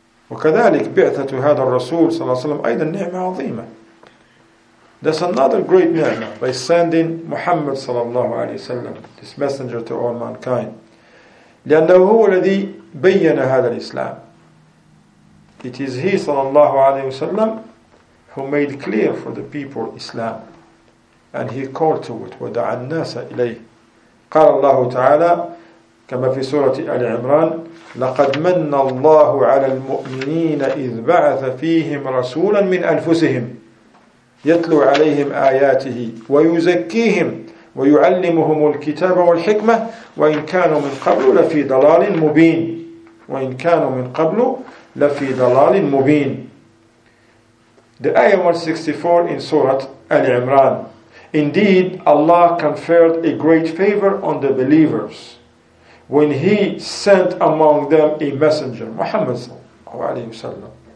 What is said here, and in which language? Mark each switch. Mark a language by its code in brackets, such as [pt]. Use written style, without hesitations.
[ar] وكذلك بعثة هذا الرسول صلى الله عليه وسلم أيضا نعمة عظيمة. [en] That's another great ni'mah, by sending Muhammad sallallahu alayhi wa sallam, this messenger to all mankind. [ar] لأنه هو الذي بيّن هذا الإسلام. [en] It is he sallallahu alayhi wa sallam who made clear for the people Islam. And he called to it, [ar] ودعا الناس إليه. قال الله تعالى كما في سورة آل عمران لقد من الله على المؤمنين إذ بعث فيهم رسولا من أنفسهم يتلو عليهم آياته ويزكيهم ويعلمهم الكتاب والحكمة وإن كانوا من قبل لفي ضلال مبين وإن كانوا من قبل لفي ضلال مبين. [en] The ayah 164 in Surah Al-Imran. Indeed, Allah conferred a great favor on the believers when He sent among them a messenger, Muhammad sallallahu alayhi wa sallam,